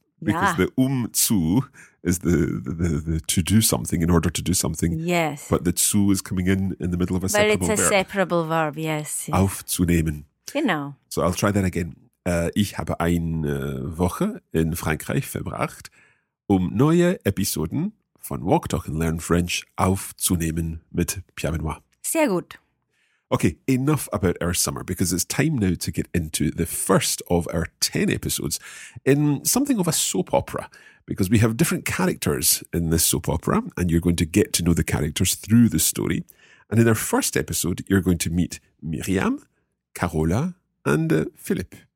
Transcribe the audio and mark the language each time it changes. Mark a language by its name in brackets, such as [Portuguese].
[English] Because the zu is the to do something, in order to do something. Yes. But the zu is coming in the middle of a separable verb. But it's a separable verb, yes. [German] Aufzunehmen. Genau. [English] So I'll try that again. [German] Ich habe eine Woche in Frankreich verbracht, neue Episoden von Walk, Talk and Learn French aufzunehmen mit Pierre Benoit. Sehr gut. [English] Okay, enough about our summer, because it's time now to get into the first of our 10 episodes in something of a soap opera, because we have different characters in this soap opera, and you're going to get to know the characters through the story. And in our first episode, you're going to meet Miriam, Carola, and Philippe.